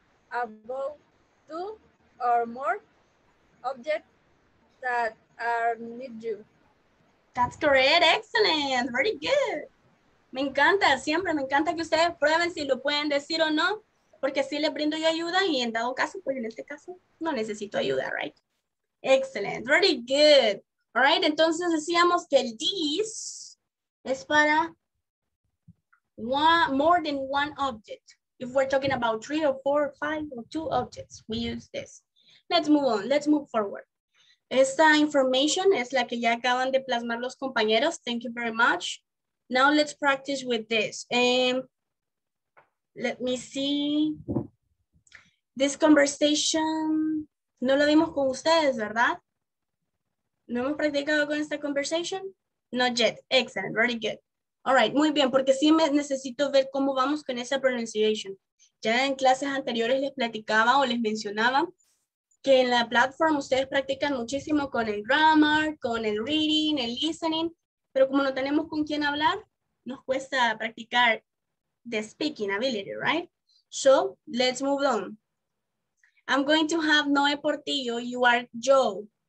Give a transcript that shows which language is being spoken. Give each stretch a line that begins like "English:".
English: about two or more objects that are near you. That's correct, excellent, very good.
Spanish: Me encanta, siempre me encanta que ustedes prueben si lo pueden decir o no. Porque sí le brindo yo ayuda y en dado caso, pues en este caso, no necesito ayuda,
English: right? Excellent, very good. All right,
Spanish: entonces decíamos que el
English: this
Spanish: es para
English: more than one object. If we're talking about 3 or 4 or 5 or 2 objects, we use this. Let's move on, let's move forward.
Spanish: Esta información es la que ya acaban de plasmar los compañeros.
English: Thank you very much. Now let's practice with this. Let me see, this conversation,
Spanish: no lo vimos con ustedes, ¿verdad? ¿No hemos practicado con esta
English: conversation? Not yet, excellent, very good. All right,
Spanish: muy bien, porque sí me necesito ver cómo vamos con esa pronunciation. Ya en clases anteriores les platicaba o les mencionaba que en la plataforma ustedes practican muchísimo con el grammar, con el reading, el listening, pero como no tenemos con quién hablar, nos cuesta practicar
English: the speaking ability, right? So let's move on. I'm going to have Noe Portillo, you are Joe.